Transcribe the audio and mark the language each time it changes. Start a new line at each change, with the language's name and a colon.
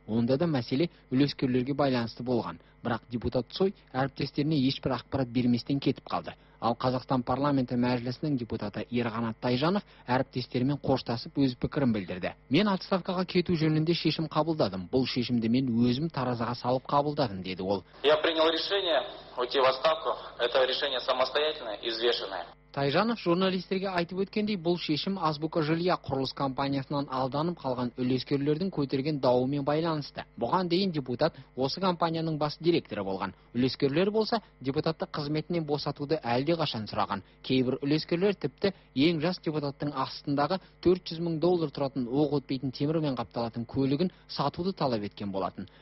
Kazakh: Онда да мәселе үлескерлерге байланысты болған. Бірақ депутат Цой әріптестеріне ешбір ақпарат берместен кетіп қалды. Ал Қазақстан парламенті мәжілісінің депутаты Ерғанат Тайжанов әріптестерімен қоштасып өз пікірін білдірді. Мен отставкаға кету жөнінде шешім қабылдадым. Бұл шешімді мен өзім таразыға салып қабылдадым, деді ол.
Russian: Я принял решение уйти в отставку. Это решение самостоятельное, взвешенное.
Kazakh: Тайжанов журналистерге айтып өткендей, бұл шешім Азбука жилья құрылыс компаниясынан алданып қалған үлескерлердің көтерген дауымен байланысты. Бұған дейін депутат осы компанияның бас директоры болған. Үлескерлер болса, депутатты қызметінен босатуды әлде қашан сұраған. Кейбір үлескерлер тіпті ең жас депутаттың астындағы 400 мың доллар тұратын оқ өтпейтін темірмен қапталатын көлігін сатуды талап еткен болатын.